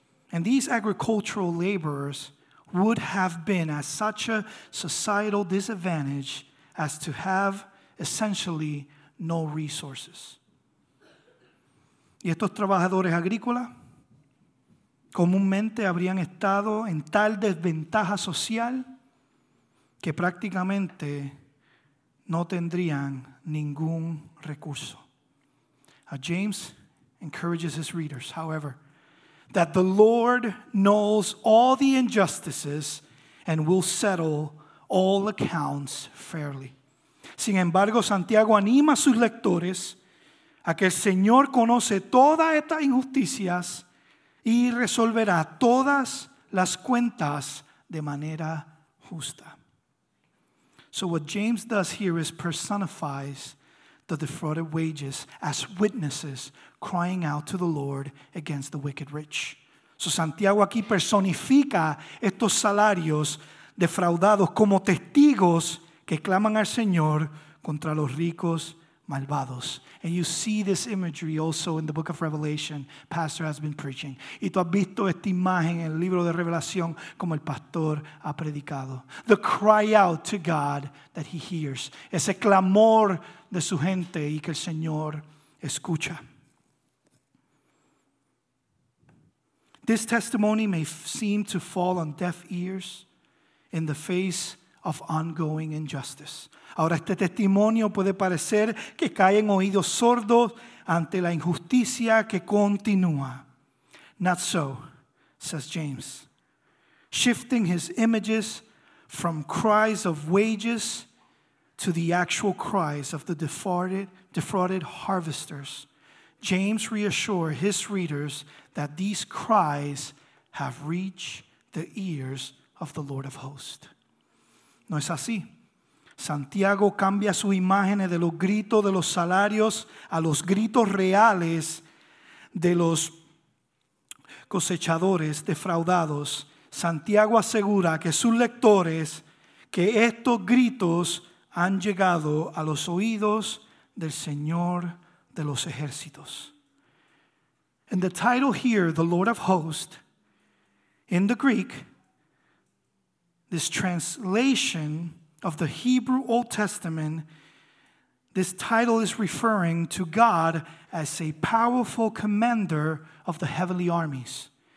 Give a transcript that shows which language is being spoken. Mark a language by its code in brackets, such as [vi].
[en] And these agricultural laborers would have been at such a societal disadvantage as to have essentially no resources. [es] Y estos trabajadores agrícolas comúnmente habrían estado en tal desventaja social que prácticamente no tendrían ningún recurso. [en] Now James encourages his readers, however, that the Lord knows all the injustices and will settle all accounts fairly. [es] Sin embargo, Santiago anima a sus lectores a que el Señor conoce todas estas injusticias y resolverá todas las cuentas de manera justa. [en] So what James does here is personifies the defrauded wages as witnesses crying out to the Lord against the wicked rich. [es] So Santiago aquí personifica estos salarios defraudados como testigos que claman al Señor contra los ricos malvados. [en] And you see this imagery also in the book of Revelation, pastor has been preaching. [es] Y tú has visto esta imagen en el libro de Revelación como el pastor ha predicado. [en] The cry out to God that he hears. [es] Ese clamor de su gente y que el Señor escucha. [en] This testimony may seem to fall on deaf ears in the face of ongoing injustice. [es] Ahora este testimonio puede parecer que cae en oídos sordos ante la injusticia que continúa. [en] Not so, says James, shifting his images from cries of wages to the actual cries of the defrauded harvesters, James reassures his readers that these cries have reached the ears of the Lord of hosts. [es] No es así. Santiago cambia su imagen de los gritos de los salarios a los gritos reales de los cosechadores defraudados. Santiago asegura que sus lectores, que estos gritos han llegado a los oídos del Señor de los ejércitos. [en] In the title here, the Lord of Hosts, in the Greek, this translation of the Hebrew Old Testament, this title is referring to God as a powerful commander of the heavenly armies.